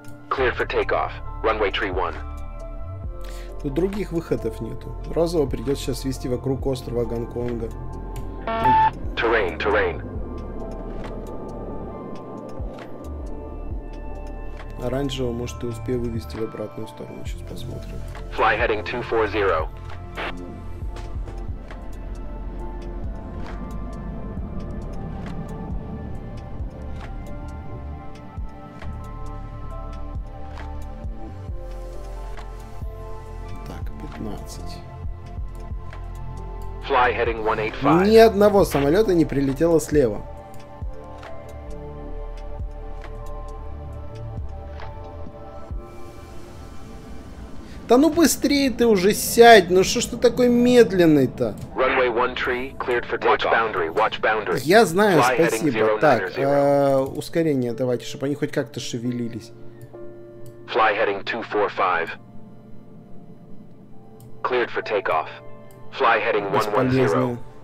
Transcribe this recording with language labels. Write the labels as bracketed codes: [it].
[en] Cleared for takeoff, runway tree one. [ru] Тут других выходов нету. Розово придется сейчас вести вокруг острова Гонконга. [en] Terrain, terrain. [ru] Оранжевого, может, и успею вывести в обратную сторону. Сейчас посмотрим. [en] Fly heading 240. 15. Fly heading 185. [ru] Ни одного самолета не прилетело слева. Да ну быстрее ты уже сядь, ну что ж ты такой медленный-то? [en] Runway 13, cleared for touch boundary. Watch boundary. [ru] Я знаю, спасибо. Так, ускорение давайте, чтобы они хоть как-то шевелились. [en] Fly heading 245. Cleared for takeoff. Fly heading 110.